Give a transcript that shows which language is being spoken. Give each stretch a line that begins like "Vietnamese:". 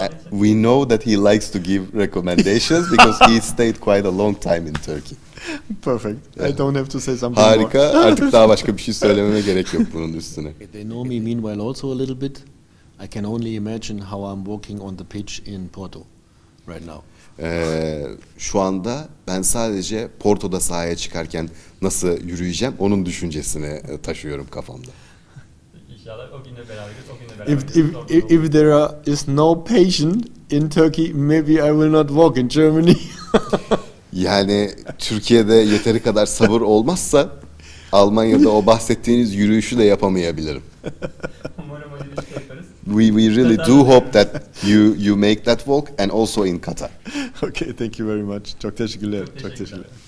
English: We know that he likes to give recommendations because he stayed quite a long time in Turkey. Perfect. Yeah. I don't have to say something.
Turkish: Harika.
English: More.
Turkish: Artık daha başka bir şey söylememe gerek yok bunun üstüne.
English: They know me meanwhile also a little bit. I can only imagine how I'm walking on the pitch in Porto right now.
Turkish: Şu anda ben sadece Porto'da sahaya çıkarken nasıl yürüyeceğim onun düşüncesini taşıyorum kafamda. İnşallah o günle beraber.
English: If there is no patient in Turkey, maybe I will not walk in Germany.
Turkish: Yani Türkiye'de yeteri kadar sabır olmazsa Almanya'da o bahsettiğiniz yürüyüşü de yapamayabilirim. Umarım
English: We really do hope that you make that walk and also in Qatar. Okay, thank you very much.
Turkish: Çok teşekkürler. Çok teşekkürler.